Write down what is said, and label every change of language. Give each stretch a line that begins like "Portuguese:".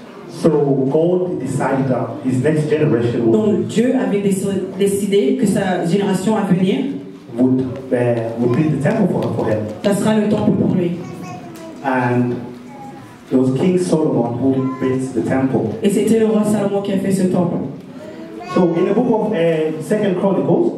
English: So God decided that his next generation would.
French: Donc Dieu avait décidé que sa génération à venir.
English: Would build the temple for him.
French: Ça sera le temple pour lui.
English: And it was King Solomon who built the temple.
French: Et c'était le roi Salomon qui a fait ce temple.
English: So in the book of 2 Chronicles.